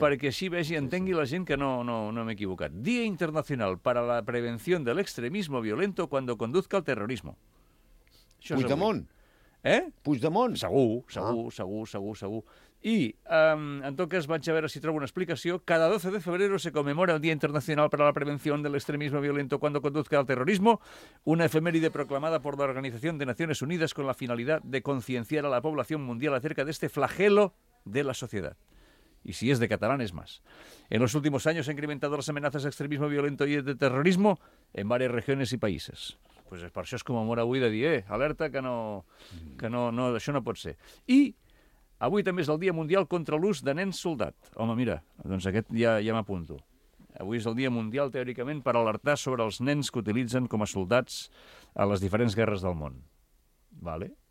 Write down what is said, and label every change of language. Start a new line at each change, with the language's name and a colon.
Catalan: perquè així vegi i entengui, sí, sí, la gent que no m'he equivocat. Dia Internacional per a la Prevenció de l'Extremisme Violento quan conduzca al terrorisme. Puigdemont. Eh? Puigdemont. Segur, segur, ah, segur, segur, segur. I, en tot cas, vaig a veure si trobo una explicació.
Spanish: Cada 12 de febrero se conmemora el Dia Internacional para la Prevención del Extremismo Violento cuando conduzca al terrorismo, una efeméride proclamada por la Organización de Naciones Unidas con la finalidad de concienciar a la población mundial acerca de este flagelo de la sociedad. Y si es de catalán, es más. En los últimos años se han incrementado las amenazas de extremismo violento y de terrorismo en varias regiones y países.
Catalan: Pues per això es conmemora avui de dir, alerta, que no, això no pot ser. I... Avui també és el Dia Mundial contra l'ús de nens soldat. Home, mira, doncs aquest ja m'apunto. Avui és el Dia Mundial, teòricament, per alertar sobre els nens que utilitzen com a soldats a les diferents guerres del món. Vale?